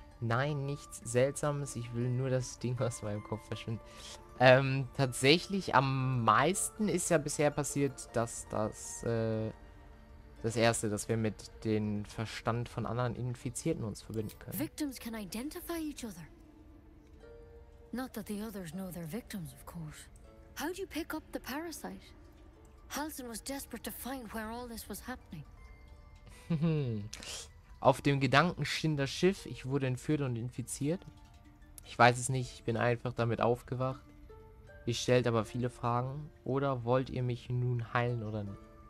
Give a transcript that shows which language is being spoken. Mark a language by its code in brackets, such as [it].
[de] Nein, nichts Seltsames. Ich will nur das Ding aus meinem Kopf verschwinden. Tatsächlich am meisten ist ja bisher passiert, dass das erste, dass wir mit dem Verstand von anderen Infizierten uns verbinden können. [en] Victims can identify each other. Not that the others know their victims, of course. How do you pick up the parasite? Halson was desperate to find where all this was happening. [de] Auf dem Gedankenschinder Schiff, ich wurde entführt und infiziert. Ich weiß es nicht, ich bin einfach damit aufgewacht. Ihr stellt aber viele Fragen. Oder wollt ihr mich nun heilen oder nicht?